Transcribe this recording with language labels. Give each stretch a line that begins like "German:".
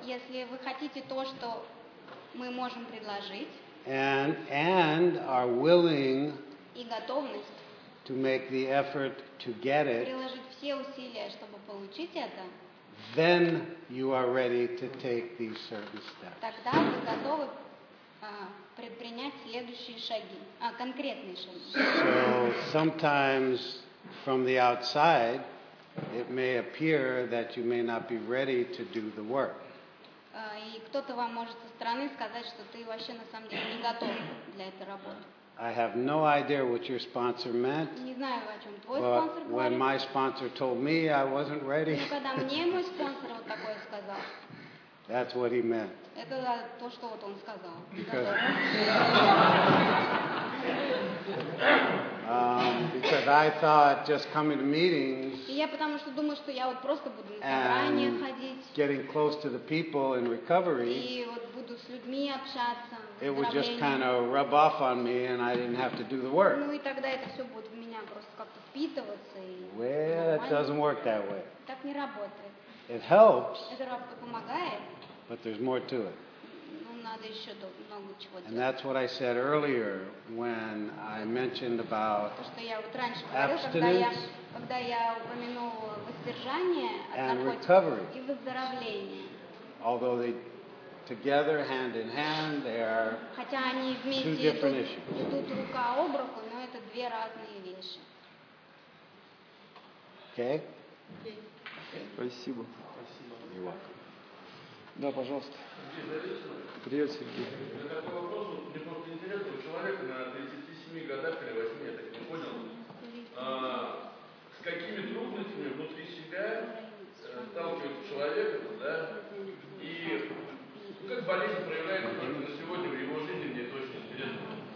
Russian: Если вы хотите то, что мы можем предложить.
English: And are willing
Russian: и готовность
English: to make the effort to get it,
Russian: приложить все усилия, чтобы получить это,
English: then you are ready to take these certain steps.
Russian: Тогда вы готовы предпринять следующие шаги, конкретные шаги.
English: So sometimes from the outside it may appear that you may not be ready to do the work.
Russian: И кто-то вам может со стороны сказать, что ты вообще на самом деле не готов для этой работы.
English: I have no idea what your sponsor meant.
Russian: Не знаю, о чем твой спонсор говорит.
English: When my sponsor told me I wasn't ready.
Russian: Когда мне мой спонсор вот такое сказал.
English: That's what he meant.
Russian: Это то, что вот он сказал.
English: Because I thought just coming to meetings.
Russian: И я потому что думаю, что я вот просто буду на собрания ходить.
English: Getting close to the people in recovery.
Russian: И вот буду с людьми общаться.
English: It would just kind of rub off on me, and I didn't have to do the work.
Russian: Ну и тогда это все будет в меня просто как-то впитываться.
English: Well, it doesn't work that way.
Russian: Так не работает.
English: It helps.
Russian: Это помогает.
English: But there's more to it.
Russian: Надо еще много чего делать.
English: And that's what I said earlier when I mentioned about abstinence,
Russian: когда я упомянул воздержание
English: and recovery.
Russian: И выздоровление.
English: Although they together hand in hand, they are two different issues.
Russian: Идут рука об руку, но это две разные вещи.
English: Okay.
Russian: Спасибо.
English: You're welcome.
Russian: Да, пожалуйста. Привет, Сергей. На такой вопрос, мне просто интересно, у человека на 37 годах или 8, я так не понял, с какими трудностями внутри себя сталкивается человек, да, и как болезнь проявляется на сегодня в его жизни, мне это очень интересно.